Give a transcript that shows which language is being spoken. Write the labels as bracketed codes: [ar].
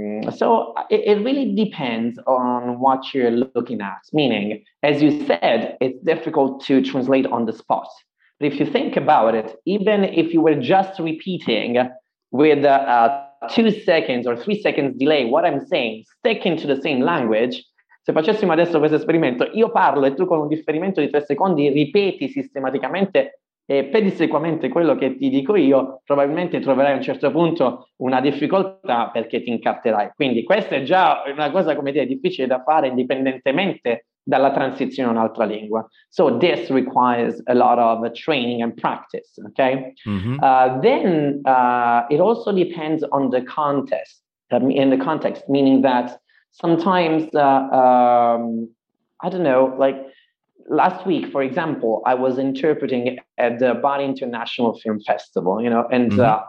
[en] So it really depends on what you're looking at. Meaning, as you said, it's difficult to translate on the spot. But if you think about it, even if you were just repeating with 2 seconds or 3 seconds delay, what I'm saying, sticking to the same language, [it] se facessimo adesso questo esperimento, io parlo e tu con un differimento di 3 secondi ripeti sistematicamente e pedissequamente quello che ti dico io, probabilmente troverai a un certo punto una difficoltà perché ti incarterai. Quindi questa è già una cosa, come dire, difficile da fare indipendentemente dalla transizione a un'altra lingua. [en] So this requires a lot of training and practice, okay? Mm-hmm. Then it also depends on the context, in the context, meaning that sometimes, I don't know, like last week, for example, I was interpreting at the Bari International Film Festival, you know, and mm-hmm.